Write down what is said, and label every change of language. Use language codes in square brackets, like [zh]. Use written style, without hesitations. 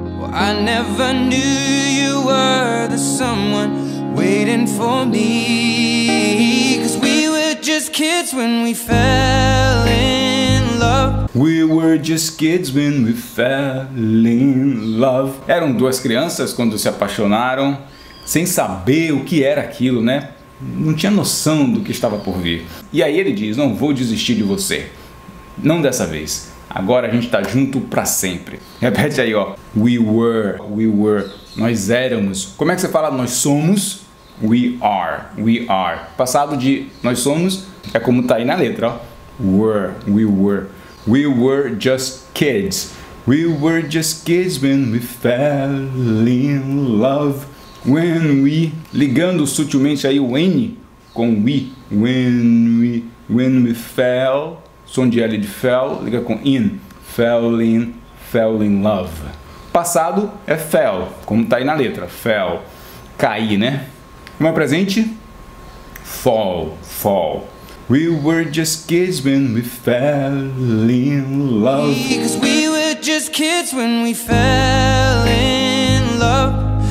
[en] I never knew you were the someone waiting for me. 'Cause we were just kids when we fell in love. We were just kids when we fell in love. [pt] Eram duas crianças quando se apaixonaram, sem saber o que era aquilo, né? Não tinha noção do que estava por vir. E aí ele diz, não vou desistir de você. Não dessa vez. Agora a gente tá junto pra sempre. Repete aí, ó. [en] We were, we were. [pt] Nós éramos. Como é que você fala nós somos? [en] We are, we are. [pt] Passado de nós somos é como tá aí na letra, ó. [en] Were, we were. We were just kids. We were just kids when we fell in love. When we, [pt] ligando sutilmente aí o N com we. [en] When we fell, [pt] som de L de fell, liga com in. [en] Fell in love. [pt] Passado é fell, como tá aí na letra, fell. Cair, né? Como é presente? [en] Fall, fall. We were just kids when we fell in love. Because we were just kids when we fell in love.